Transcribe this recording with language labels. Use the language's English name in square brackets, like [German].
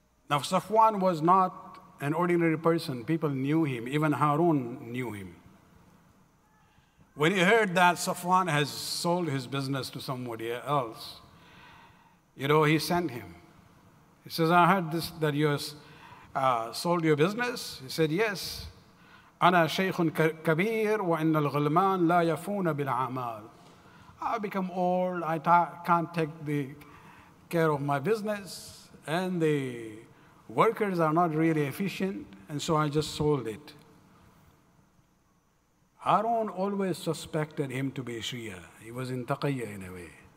[English] Now Safwan was not an ordinary person. People knew him, even Hãrũn knew him. When he heard that Safwan has sold his business to somebody else, you know, he sent him. He says, I heard this, that you sold your business. He said, yes. [Arabic] أنا شيخ كبير وإن الغلمان لا يفون بالعمال. [English] I become old, I can't take the care of my business, and the workers are not really efficient, and so I just sold it. Hãrũn always suspected him to be Shi'a. He was in Taqiyya in a way.